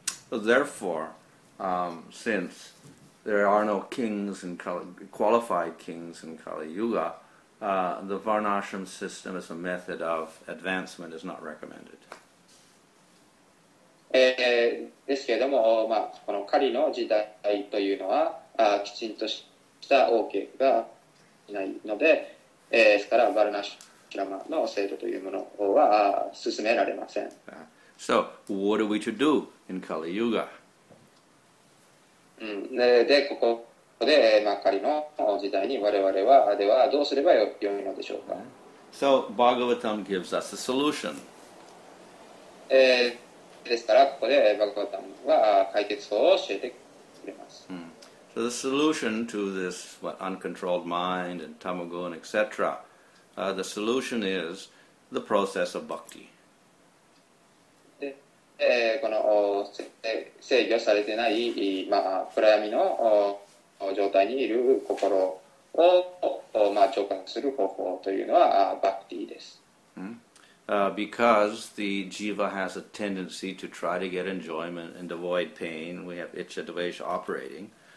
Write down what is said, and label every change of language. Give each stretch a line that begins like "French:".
English: So therefore, since there are no kings and qualified kings in Kali Yuga, the Varnashram system as a method of advancement is not recommended.
Japanese: ですけれども、まあ、このカリの時代というのは、きちんとした王家がいないので、ですから、ヴァルナシュラマの制度というものは、進められません。
English: So, what are we to do in Kali Yuga?
Japanese: でここで、まあ、仮の時代に我々はではどうすればよいのでしょうか。
English: So Bhagavatam gives us a solution.
Japanese: ですからここで Bhagavatam は解決法を教えてくれます。
English: So the solution to this what, uncontrolled mind and tamogun etc. The solution is the process of bhakti.
Japanese: この制御されてない、まあ、暗闇の状態にいる心を、まあ、浄化する方法というのはバクティです。
English: Because the jiva has a tendency to try to get enjoyment and avoid pain, we have icha dvesha operating.